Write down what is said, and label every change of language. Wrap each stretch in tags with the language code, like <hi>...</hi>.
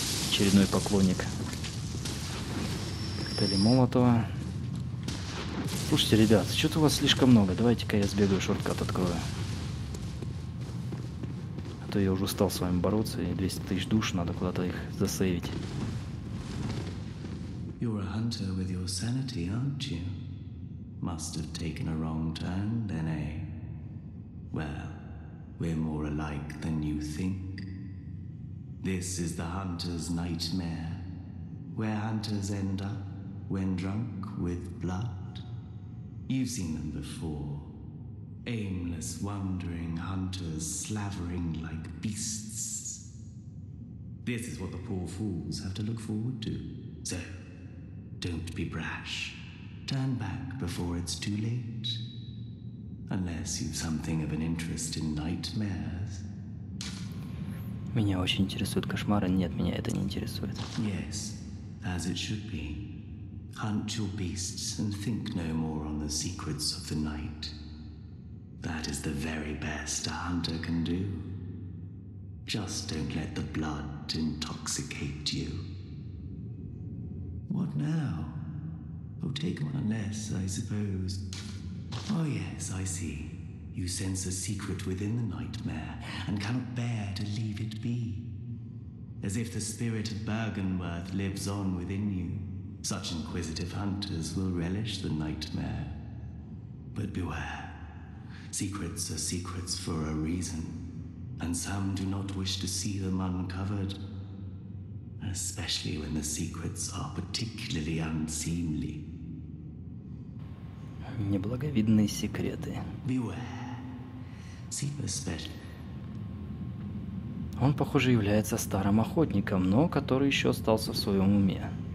<ru>Очередной поклонник коктейля Молотова. Слушайте, ребят, что-то у вас слишком много. Давайте-ка я сбегаю, шорткат открою. А то я уже устал с вами бороться, и 200 тысяч душ, надо куда-то их засейвить.</ru> <en>You're a hunter with your sanity, aren't you? Must have taken a wrong turn, then, eh? Well, we're more alike than you think. This is the hunter's nightmare, where hunters end up when drunk with blood. You've seen them before, aimless wandering hunters slavering like beasts. This is what the poor fools have to look forward to. So, don't be brash. Turn back before it's too late. Unless you've something of an interest in nightmares.</en> <ru>Меня очень интересуют кошмары. Нет, меня это не интересует.</ru> <en>Yes, as it should be. Hunt your beasts and think no more on the secrets of the night. That is the very best a hunter can do. Just don't let the blood intoxicate you. What now? Oh, take one less, I suppose. Oh yes, I see. You sense a secret within the nightmare and cannot bear to leave it be. As if the spirit of Bergenworth lives on within you. Such inquisitive hunters will relish the nightmare. But beware. Secrets are secrets for a reason, and some do not wish to see them uncovered. Especially when the secrets are particularly unseemly.</en> <ru>Неблаговидные секреты.</ru> <en>Beware. Seek especially.</en> <ru>Он, похоже, является старым охотником, но который еще остался в своем уме.</ru>